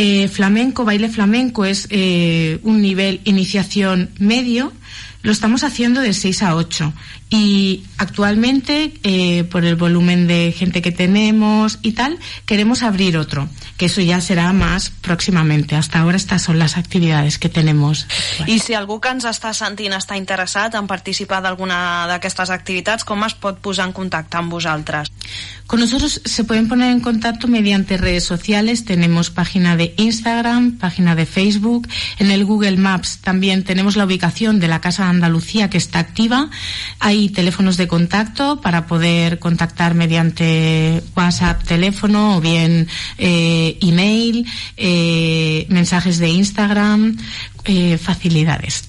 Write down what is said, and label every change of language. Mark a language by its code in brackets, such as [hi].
[es] Flamenco, baile flamenco, es un nivel iniciación medio. Lo estamos haciendo de 6 a 8. Y actualmente, por el volumen de gente que tenemos y tal, queremos abrir otro, que eso ya será más próximamente. Hasta ahora estas son las actividades que tenemos. [ca] I si algú que ens està sentint està interessat en participar d'alguna d'aquestes activitats, com es pot posar en contacte amb vosaltres? [es] Con nosotros se pueden poner en contacto mediante redes sociales. Tenemos página de Instagram, página de Facebook. En el Google Maps también tenemos la ubicación de la Casa de Andalucía, que está activa. Hay teléfonos de contacto para poder contactar mediante WhatsApp, teléfono, o bien email, mensajes de Instagram. Facilidades.